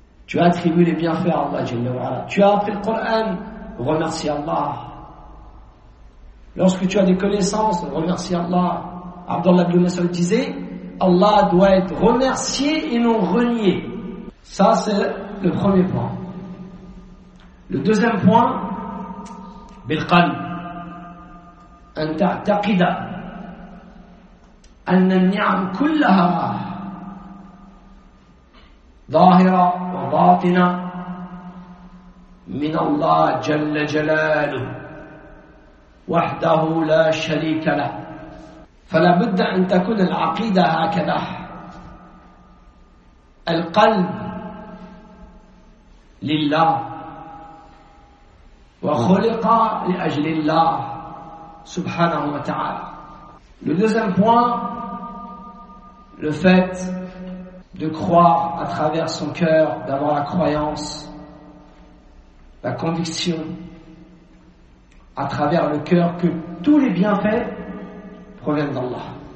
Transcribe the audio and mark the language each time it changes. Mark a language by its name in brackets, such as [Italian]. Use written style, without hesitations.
[French] Tu as attribué les bienfaits à Allah Jalla wa'ala. Tu as appris le Coran, remercie Allah. Lorsque tu as des connaissances, remercie Allah. Abdullah ibn Mas'ud disait, Allah doit être remercié et non renié. Ça c'est le premier point. Le deuxième point, [Arabic] bilqal, an ta'taqida an an-ni'am kullaha ظاهرة وباطنة من الله جل جلاله وحده لا شريك له فلا بد أن تكون العقيدة هكذا القلب لله وخلق لأجل الله سبحانه وتعالى [French] Le deuxième point, le fait de croire à travers son cœur, d'avoir la croyance, la conviction à travers le cœur que tous les bienfaits proviennent d'Allah.